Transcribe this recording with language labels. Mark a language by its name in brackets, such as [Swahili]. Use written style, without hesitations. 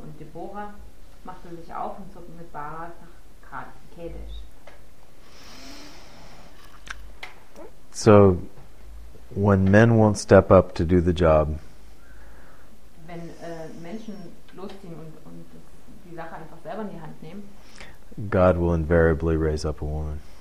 [German] Und Deborah machte sich auf und zog mit Barak nach Kadesh. [English] So, when men won't step up to do the job, [German] wenn Menschen losziehen und die Sache einfach selber in die Hand nehmen, [English] God will invariably raise up a woman.